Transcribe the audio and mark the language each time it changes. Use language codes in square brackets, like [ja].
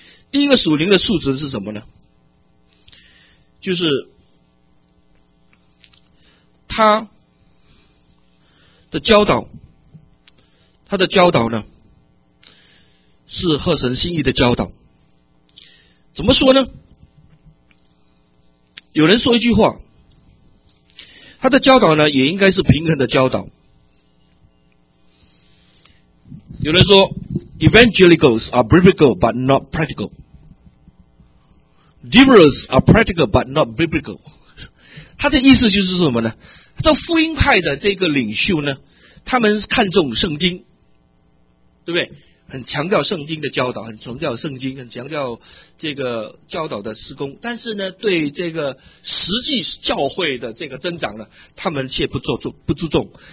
[zh] 第一个属灵的素质是什么呢？就是他的教导，他的教导呢是合神心意的教导。怎么说呢？有人说一句话，他的教导呢也应该是平衡的教导。有人说 [en] Evangelicals are biblical but not practical, Liberals are practical but not biblical。 [zh] 他的意思就是什么呢？这福音派的这个领袖呢，他们看重圣经，对不对？很强调圣经的教导，很强调圣经，很强调这个教导的施工，但是呢对这个实际教会的这个增长呢，他们却不注重。